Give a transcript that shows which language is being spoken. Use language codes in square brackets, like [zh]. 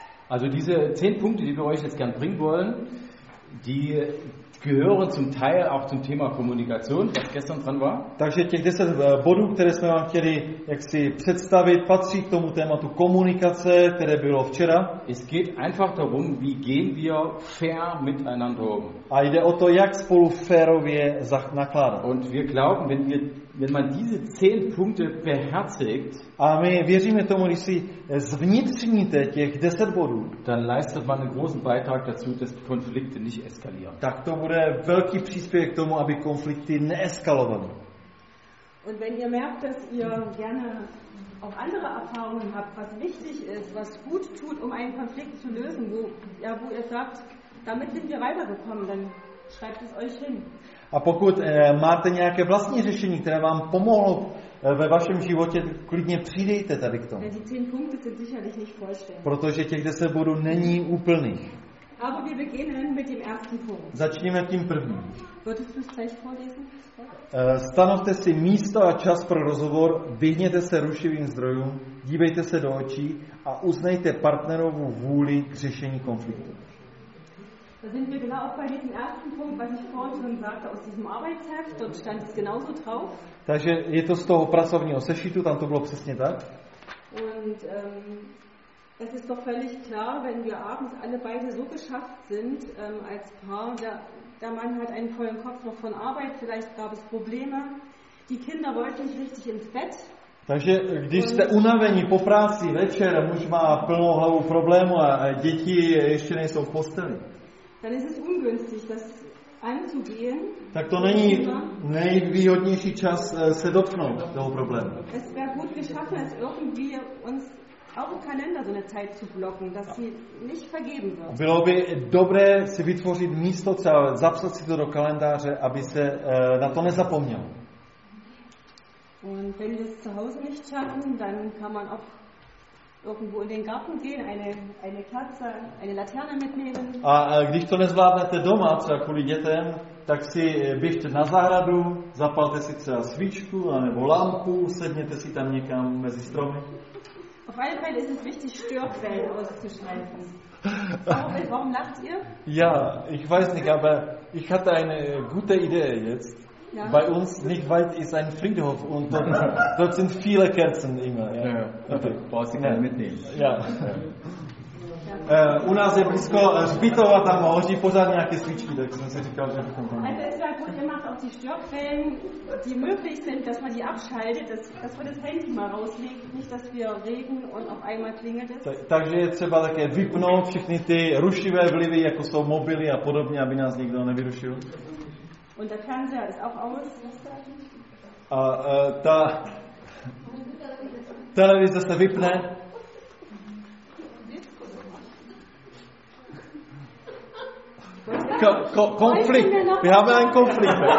[de] Also diese 10 Punkte, die wir euch jetzt gern bringen wollen, die gehören zum Teil auch zum Thema Kommunikation, was gestern dran war. [cs] Takže těch 10 bodů, které jsme vám chtěli jaksi představit, patří k tomu tématu komunikace, které bylo včera. [de] Es geht einfach darum, wie gehen wir fair miteinander um. [cs] A jde o to, jak spolu férově nakládat. [de] Und wir glauben, wenn man diese 10 Punkte beherzigt, [cs] a my věříme tomu, když si zvnitřníte těch 10 bodů, [de] dann leistet man einen großen Beitrag dazu, dass Konflikte nicht eskalieren. [cs] Tak to bude velký příspěvek k tomu, aby konflikty neeskalovaly. [de] Und wenn ihr merkt, dass ihr gerne auch andere Erfahrungen habt, was wichtig ist, was gut tut, um einen Konflikt zu lösen, wo ihr sagt, damit sind wir weitergekommen, dann schreibt es euch hin. [cs] A pokud máte nějaké vlastní řešení, které vám pomohlo ve vašem životě, klidně přidejte tady k tomu. [de] Ja, die 10 Punkte sind sicherlich nicht vollständig. [cs] Protože těch 10 bodů není úplných. [de] Aber wir beginnen mit dem ersten Punkt. [cs] Začneme tím prvním. [de] Würdest du es gleich vorlesen? [cs] Stanovte si místo a čas pro rozhovor, vyhněte se rušivým zdrojům, dívejte se do očí a uznejte partnerovu vůli k řešení konfliktu. [de] Da sind wir genau auch bei diesem ersten Punkt, was ich vorhin schon sagte, aus diesem Arbeitsheft, dort stand es genauso drauf. [cs] Takže je to z toho pracovního sešitu, tam to bylo přesně tak. [de] Und es ist doch völlig klar, wenn wir abends alle beide so geschafft sind als Paar, der Mann hat einen vollen Kopf noch von Arbeit, vielleicht gab es Probleme, die Kinder wollten nicht richtig ins Bett. [cs] Takže když jste unavení po práci večer, muž má plnou hlavu problému a děti ještě nejsou v posteli. [de] Dann ist es ungünstig, das anzugehen. [cs] Tak to není nejvýhodnější čas se dotknout toho problému. [de] Es wäre gut geschaffen, es irgendwie uns auch im Kalender so eine Zeit zu blocken, dass sie nicht vergeben wird. [cs] Bylo by dobré si vytvořit místo, zapsat si to do kalendáře, aby se na to nezapomněl. [de] Und wenn wir es zu Hause nicht schaffen, dann kann man auch irgendwo in den Garten gehen, eine Kerze, eine Laterne mitnehmen. [cs] A když to nezvládnete doma, třeba kvůli dětem, tak si běžte na zahradu, zapalte si třeba svíčku anebo lampu, sedněte si tam někam mezi stromy. [de] Auf jeden Fall ist es wichtig, Störquellen auszuschalten. Warum lacht ihr? Ja, ich weiß nicht, aber ich hatte eine gute Idee jetzt. Ja. Bei uns nicht weit ist ein Friedhof und dort sind viele Kerzen immer. Ja. Okay. Brauchst du keine mitnehmen. Ja. [cs] U nás je blízko hřbitov a tam hoří pořád nějaké svíčky, tak jsem si říkal, že bychom tam. [de] Also es war gut gemacht, auch die Störquellen, die möglich sind, dass man die abschaltet, dass man das Handy mal rauslegt, nicht dass wir regen und auf einmal klingelt es. [cs] Takže je třeba také vypnout všechny ty rušivé vlivy, jako jsou mobily a podobně, aby nás nikdo nevyrušil. [de] Und der Fernseher ist auch aus. [cs] A ta televize se vypne. [de] Konflikt. Wir haben einen Konflikt.